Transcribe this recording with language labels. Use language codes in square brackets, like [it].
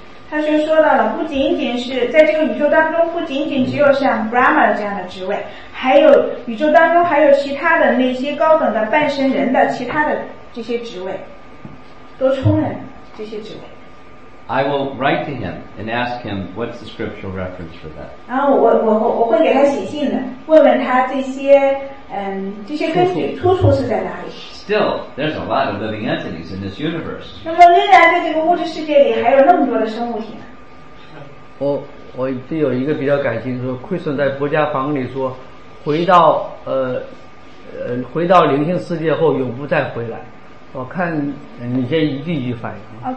[zh] 他就说到了，不仅仅是在这个宇宙当中，不仅仅只有像 Brahma 这样的职位，还有宇宙当中还有其他的那些高等的半神人的其他的这些职位，都充满这些职位。 [en] I will write to him and ask him what's the scriptural reference for that. [zh] 然后我会给他写信的，问问他这些这些根据出处是在哪里。 [en] Still, there's a lot of living entities in this universe. [zh] 那么仍然在这个物质世界里还有那么多的生物体呢。我就有一个比较感兴趣，说奎顺在博家房里说，回到灵性世界后永不再回来。我看你先一句一句翻译。